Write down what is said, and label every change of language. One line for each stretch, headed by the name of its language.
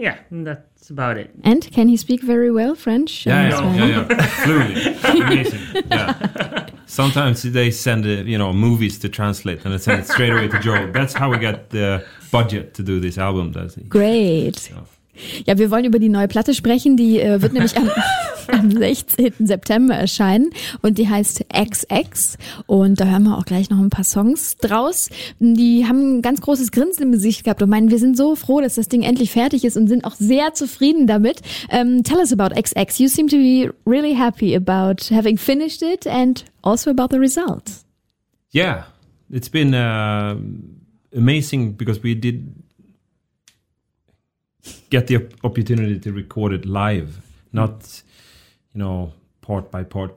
English: That's about it. And can he speak very well French? Yeah. Fluently. Amazing. Yeah. Sometimes they send, movies to translate and they send it straight away to Joel. That's how we got the budget to do this album, does he? Great.
German: Ja, wir wollen über die neue Platte sprechen, die wird nämlich am 16. September erscheinen und die heißt XX und da hören wir auch gleich noch ein paar Songs draus. Die haben ein ganz großes Grinsen im Gesicht gehabt und meinen, wir sind so froh, dass das Ding endlich fertig ist und sind auch sehr zufrieden damit.
English: Tell us about XX, you seem to be really happy about having finished it and also about the result. Yeah, it's been amazing because we did... get the opportunity to record it live, not, part by part.